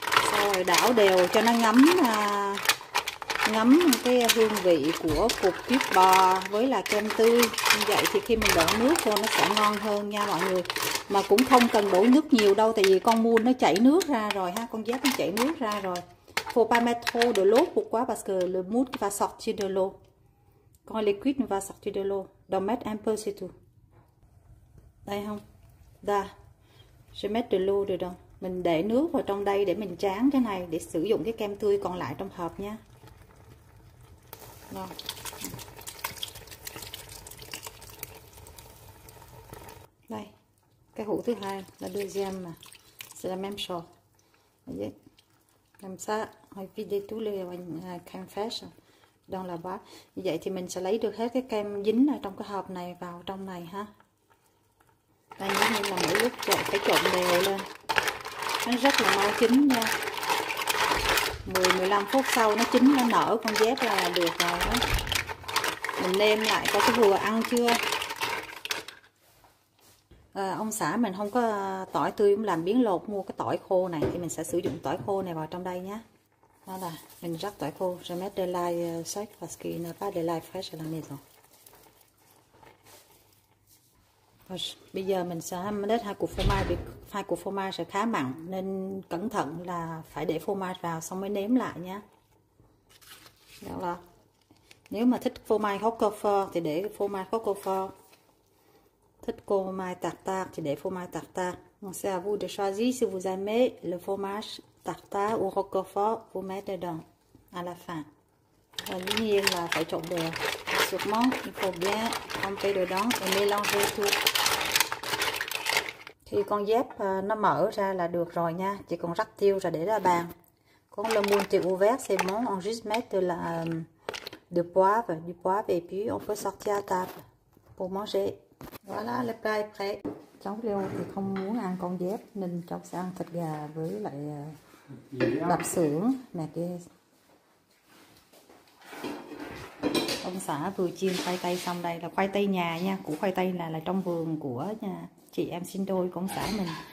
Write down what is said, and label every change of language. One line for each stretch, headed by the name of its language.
Vietnamese: Sau rồi đảo đều cho nó ngấm ngấm cái hương vị của cục cuýp bò với là kem tươi. Như vậy thì khi mình đổ nước vô nó sẽ ngon hơn nha mọi người. Mà cũng không cần đổ nước nhiều đâu, tại vì con mun nó chảy nước ra rồi ha, con dép nó chảy nước ra rồi.
French: Faut pas mettre trop de l'eau pourquoi parce que le mun va sortir de l'eau. Quand le cuit va sortir de l'eau. Donc mettre un peu c'est tout.
Vietnamese: Đây không? Da.
French: Je mets de l'eau dedans.
Vietnamese: Mình để nước vào trong đây để mình tráng cái này để sử dụng cái kem tươi còn lại trong hộp nha. Đây, cái hũ thứ hai là deuxième mà.
French: C'est la même chose. Vậy. Comme ça, on vide tout le kem fresh dans la boîte.
Vietnamese: Như vậy thì mình sẽ lấy được hết cái kem dính ở trong cái hộp này vào trong này ha. Đây nhớ mình là mỗi lúc trộn, phải trộn đều lên. Nó rất là mau chín nha. 10-15 phút sau nó chín, nó nở con dép là được rồi đó. Mình nêm lại có cái vừa ăn chưa. Ông xã mình không có tỏi tươi, cũng làm biến lột mua cái tỏi khô này. Thì mình sẽ sử dụng tỏi khô này vào trong đây nhé. Đó là mình rắc tỏi khô.
French: Je mets de l'ail sec parce qu'il n'y a pas de l'ail fraîche à la maison.
Vietnamese: Bây giờ mình sẽ đếch hai cục phô mai, vì hai cục phô mai sẽ khá mặn nên cẩn thận là phải để phô mai vào xong mới nếm lại nhé. Đó là nếu mà thích phô mai hocker thì để phô mai hocker. thích phô-mai tartare thì để phô-mai tartare.
French: Donc c'est à vous de choisir si vous aimez le fromage tartare ou roquefort, vous mettez dedans à la fin. L'huile là,
Vietnamese: phải trộn đều.
French: Sûrement, il faut bien tremper dedans et mélanger tout.
Vietnamese: Thì con dép nó mở ra là được rồi nha, chỉ còn rắc tiêu rồi để ra bàn.
French: Quand le moule est ouvert, c'est bon, on juste met de la du poivre et puis on peut sortir à table pour manger. Voilà, le plat est prêt.
Vietnamese: Cháu Leo thì không muốn ăn con dép nên cháu sẽ ăn thịt gà với lại lạp xưởng nè kia. Ông xã vừa chiên khoai tây xong, đây là khoai tây nhà nha, củ khoai tây này là trong vườn của nhà chị em sinh đôi của ông xã mình.